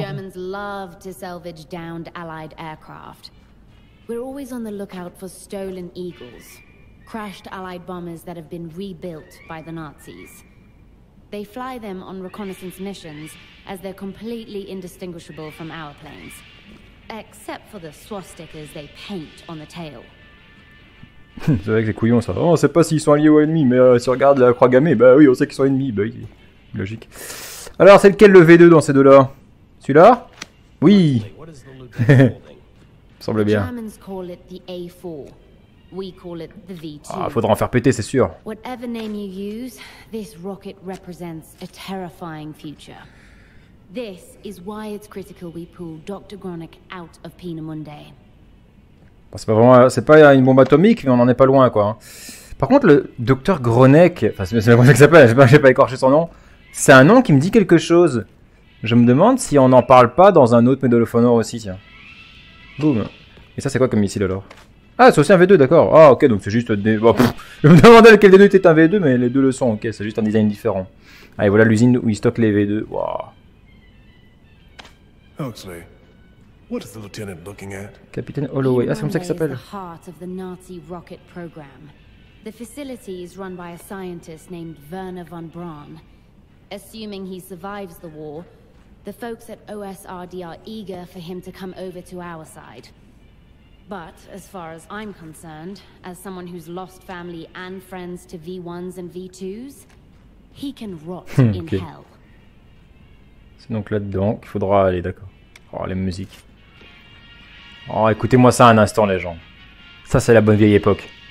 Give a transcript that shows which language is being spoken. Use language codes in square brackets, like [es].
[fr] Les Allemands aiment de salvager des avions alliés. Nous sommes toujours sur le [en] lookout [fr] pour [en] stolen eagles. Crashed Allied bombers that have been rebuilt by the Nazis. They fly them on reconnaissance missions, as they're completely indistinguishable from our planes. Except for the swastikas they paint on the tail. [fr] C'est vrai que c'est couillon ça. Oh, on sait pas s'ils sont alliés ou ennemis, mais si on regarde la croix gammée, bah oui, on sait qu'ils sont ennemis, bah oui, logique. Alors, c'est lequel le V2 dans ces deux-là? Celui-là? Oui. Semble bien. Les Allemands [en] call it the A4. We call it the V2. [fr] Ah, faudra en faire péter, c'est sûr. [en] Whatever name you use, this rocket represents a terrifying future. This is why it's critical we pull Dr. Gronick out of Peenemünde. [fr] Bon, c'est pas vraiment, c'est pas une bombe atomique, mais on en est pas loin, quoi. Par contre, le Dr. Gronick, enfin, c'est comme ça qu'il s'appelle, j'ai pas écorché son nom. C'est un nom qui me dit quelque chose. Je me demande si on n'en parle pas dans un autre Medal of Honor aussi, tiens. Boum. Et ça, c'est quoi comme missile alors? Ah, c'est aussi un V2, d'accord. Ah, ok, donc c'est juste des... Bon, pff, je me demandais lequel des deux était un V2, mais les deux le sont, ok, c'est juste un design différent. Ah, et voilà l'usine où ils stockent les V2. Wow. [en] Huxley, what is the lieutenant looking at? [fr] Capitaine Holloway, ah, c'est comme ça qu'il s'appelle. [en] The heart of the Nazi rocket program. The facility is run by a scientist named Werner von Braun. Assuming he survives the war, the folks at OSRD are eager for him to come over to our side. But, as far as I'm concerned, as someone who's lost family and friends to V1s and V2s, he can rot in hell. [fr] C'est donc là-dedans qu'il faudra aller, d'accord. Oh, la musique. Oh, écoutez-moi ça un instant, les gens. Ça, c'est la bonne vieille époque.